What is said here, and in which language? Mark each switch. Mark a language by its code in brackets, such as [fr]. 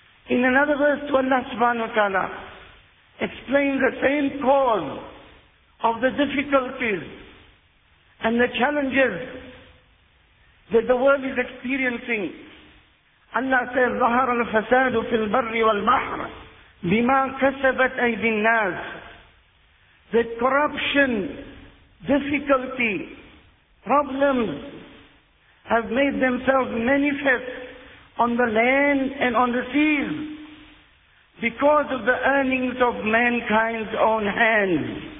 [en] In another verse to Allah subhanahu wa ta'ala, explain the same cause of the difficulties and the challenges that the world is experiencing. Allah says, [ar] ظَهَرَ الْفَسَادُ فِي الْبَرِّ وَالْبَحْرِ بِمَا كَسَبَتْ أَيْدِ النَّاسِ. [en] That corruption, difficulty, problems have made themselves manifest on the land and on the seas because of the earnings of mankind's own hands.